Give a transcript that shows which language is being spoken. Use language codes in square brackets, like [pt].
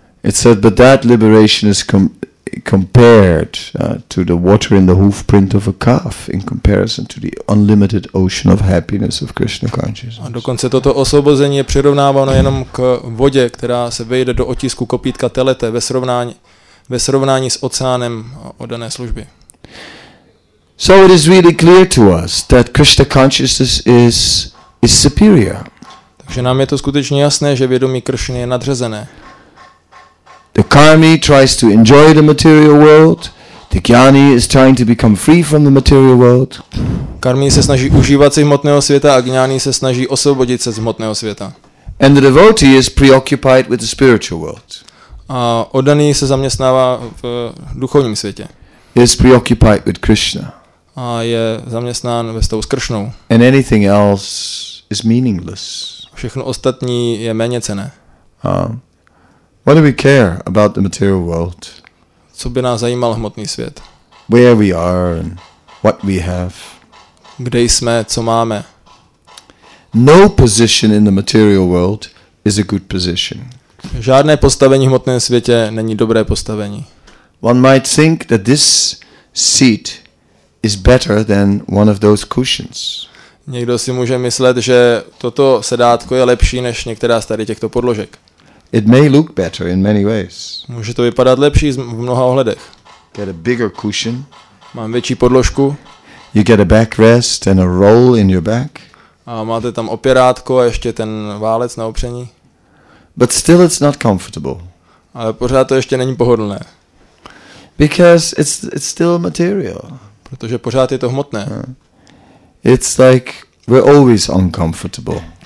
[en] It said but that liberation is compared to the water in the hoof print of a calf in comparison to the unlimited ocean of happiness of Krishna consciousness. [cs] A dokonce toto osvobození je přirovnáváno jenom k vodě, která se vejde do otisku kopítka telete ve srovnání s oceánem oddané služby. [en] So it is really clear to us that Krishna consciousness is superior. [cs] Takže nám je to skutečně jasné, že vědomí Kršny je nadřazené. [en] The karmi tries to enjoy the material world. The gyani is trying to become free from the material world. [cs] Karmi se snaží užívat si hmotného světa a gyani se snaží osvobodit se z hmotného světa. [en] And the devotee is preoccupied with the spiritual world. [cs] A oddaný se zaměstnává v duchovním světě. [en] is preoccupied with Krishna. [cs] A je zaměstnán ve stavu s Kršnou. [en] And anything else is meaningless. [cs] Všechno ostatní je méně cenné. [en] What do we care about the material world? [cs] Co by nás zajímal hmotný svět? [en] Where we are and what we have. [cs] Kde jsme, co máme? [en] No position in the material world is a good position. [cs] Žádné postavení v hmotném světě není dobré postavení. [en] One might think that this seat is better than one of those cushions. [cs] Někdo si může myslet, že toto sedátko je lepší než některá z tady těchto podložek. [en] It may look better in many ways. [cs] Může to vypadat lepší v mnoha ohledech. [en] Get a bigger cushion. [cs] Mám větší podložku. [en] You get a backrest and a roll in your back. [cs] A máte tam opěrátko a ještě ten válec na opření. [en] But still it's not comfortable. [cs] Ale pořád to ještě není pohodlné. [en] Because it's still material. [cs] Protože pořád je to hmotné. [en] It's like we're always uncomfortable.